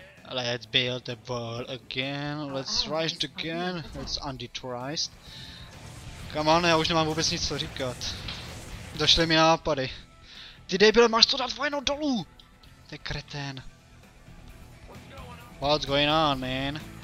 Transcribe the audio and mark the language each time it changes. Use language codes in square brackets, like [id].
[en] Let's build the wall again, let's rise again, let's undetrice. Come on, [cs] já už nemám vůbec nic co říkat. Došly mi nápady. Ty debile, máš to dát vojno dolů! Ty kretén. [en] What's going on, man?